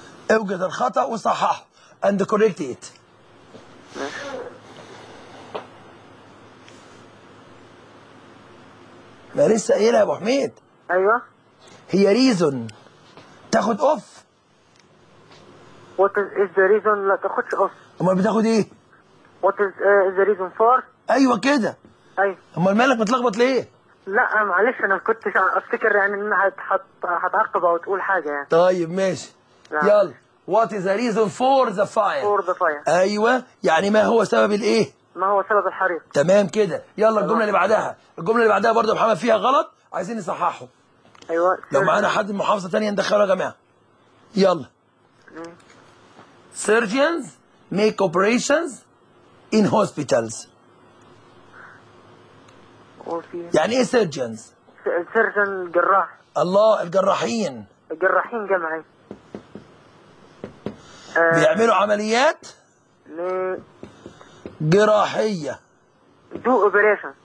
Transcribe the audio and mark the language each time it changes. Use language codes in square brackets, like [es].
[ar] اوجد الخطأ وصححه [en] and correct it. [ar] ما لسه قايلها يا ابو حميد. ايوه. هي reason تاخد اوف. [en] What is the reason [ar] لا تاخدش اوف؟ امال بتاخد ايه؟ [en] What is the reason for؟ [ar] ايوه كده. ايوه. امال مالك متلخبط ليه؟ لا معلش انا كنت افتكر يعني انها هتعقب او تقول حاجه يعني. طيب ماشي. يلا. [en] What is the reason for the fire? For the fire. [ar] أيوة يعني ما هو سبب الإيه؟ ما هو سبب الحريق. تمام كده. يلا تمام. الجملة اللي بعدها برضو محمد فيها غلط عايزين نصححه. أيوة. لو معانا حد من محافظة تانية ندخله يا جماعة. يلا. [en] Surgeons make operations in hospitals. [ar] يعني إيه surgeons؟ surgeon جراح. الله الجراحين. الجراحين جمعي. بيعملوا عمليات جراحية. [en] دو اوبريشن.